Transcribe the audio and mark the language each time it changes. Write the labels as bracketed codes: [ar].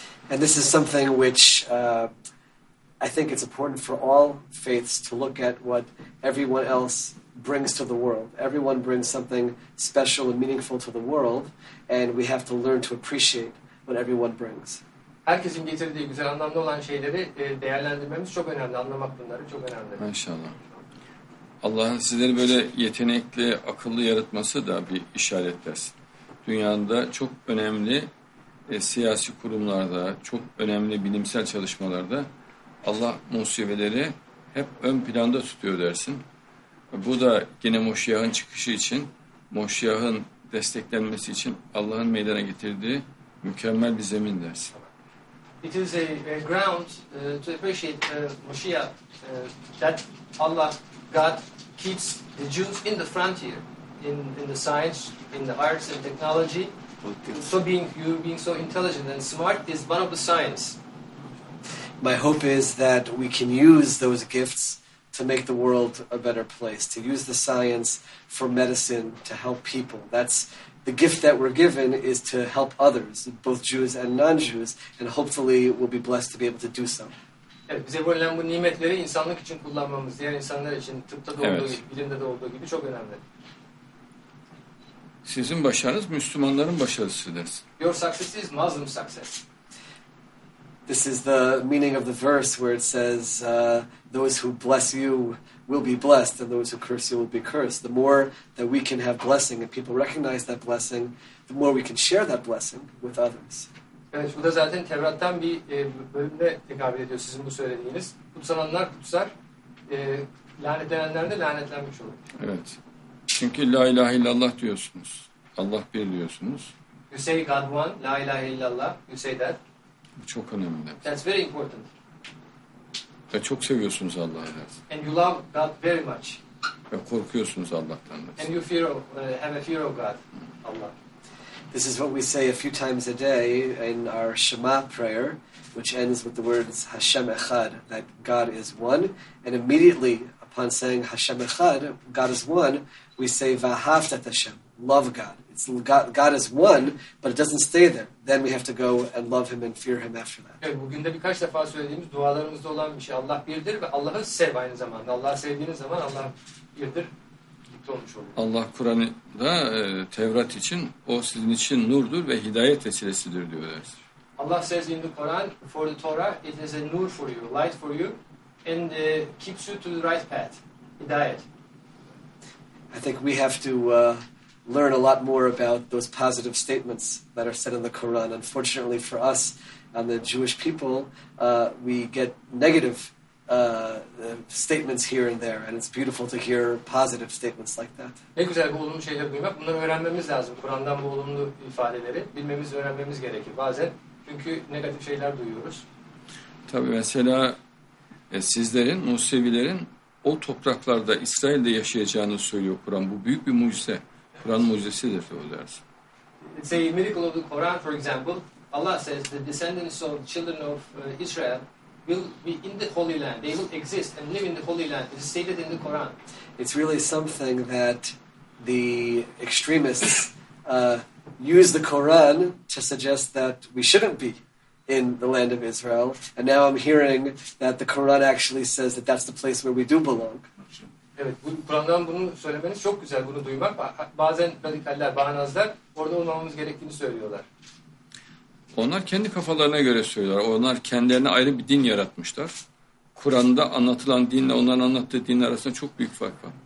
[en] And this is something which I think it's important for all faiths to look at what everyone else brings to the world. Everyone brings something special and meaningful to the world, and we have to learn to appreciate what everyone brings. [tr] Herkesin getirdiği güzel anlamlı olan şeyleri değerlendirmemiz çok önemli. Anlamak bunları çok önemli. İnşallah. Allah'ın sizleri böyle yetenekli, akıllı yaratması da bir işaret dersin. Dünyada çok önemli siyasi kurumlarda, çok önemli bilimsel çalışmalarda Allah musibeleri hep ön planda tutuyor dersin. Bu da yine Moşiyah'ın çıkışı için, Moşiyah'ın desteklenmesi için Allah'ın meydana getirdiği mükemmel bir zemin dersin. [en] it is a ground to appreciate the Moshiach, that Allah, God, keeps the Jews in the frontier, in the science, in the arts and technology. So being you being so intelligent and smart is one of the signs. My hope is that we can use those gifts to make the world a better place, to use the science for medicine to help people. That's the gift that we're given, is to help others, both Jews and non-Jews, and hopefully we'll be blessed to be able to do so. [tr] Evet, bize verilen bu nimetleri insanlık için kullanmamız, diğer insanlar için, tıpta da olduğu gibi, bilimde de olduğu gibi çok önemli. Sizin başarınız Müslümanların başarısıdır. [en] Your success is Muslim success. This is the meaning of the verse where it says, those who bless you will be blessed and those who curse you will be cursed. The more that we can have blessing and people recognize that blessing, the more we can share that blessing with others. [tr] Evet, bu da zaten Tevrat'tan bir bölümde tekabül ediyor sizin bu söylediğiniz. Kutsananlar kutsar, lanetlenenler de lanetlenmiş olur. Evet, çünkü la ilahe illallah diyorsunuz, Allah bir diyorsunuz. [en] You say God one, [ar] la ilahe illallah, [en] you say that. [tr] Bu çok önemli. [en] That's very important. [tr] Ve çok seviyorsunuz Allah'ı. [en] And you love God very much. [tr] Ve korkuyorsunuz Allah'tan. [en] And you fear of, have a fear of God, Allah. This is what we say a few times a day in our Shema prayer, which ends with the words [he] Hashem Echad, [en] that God is one. And immediately upon saying [he] Hashem Echad, [en] God is one, we say [he] Vahavta Hashem, [en] love God. God is one, but it doesn't stay there. Then we have to go and love Him and fear Him after that. [tr] Evet, bugün de birkaç defa söylediğimiz dualarımızda olan bir şey. Allah birdir ve Allah'ı sev aynı zamanda. Allah'ı sevdiğiniz zaman Allah birdir. Allah Kur'an'da Tevrat için, o sizin için nurdur ve hidayet vesilesidir diyor. [en] Allah says in the Quran, for the Torah, it is a nur for you, light for you, and keeps you to the right path, hidayet. I think we have to learn a lot more about those positive statements that are said in the Quran. Unfortunately for us and the Jewish people, we get negative statements here and there, and it's beautiful to hear positive statements like that. [tr] Ne güzel bu olumlu şeyleri duymak. Bunları öğrenmemiz lazım. Kur'an'dan bu olumlu ifadeleri bilmemiz, öğrenmemiz gerekir bazen. Çünkü negatif şeyler duyuyoruz. Tabii mesela sizlerin, Musevilerin o topraklarda, İsrail'de yaşayacağını söylüyor Kur'an. Bu büyük bir mucize. Kur'an mucizesidir o ders. [en] It's a miracle of the Quran, for example. Allah says the descendants of children of Israel will be in the Holy Land. They will exist and live in the Holy Land. It is stated in the Quran. It's really something that the extremists use the Quran to suggest that we shouldn't be in the land of Israel. And now I'm hearing that the Quran actually says that that's the place where we do belong. [tr] Evet, bu Kur'an'dan bunu söylemeniz çok güzel, bunu duymak. Bazen radikaller, bağnazlar orada olmamamız gerektiğini söylüyorlar. Onlar kendi kafalarına göre söylüyorlar. Onlar kendilerine ayrı bir din yaratmışlar. Kur'an'da anlatılan dinle onların anlattığı din arasında çok büyük fark var.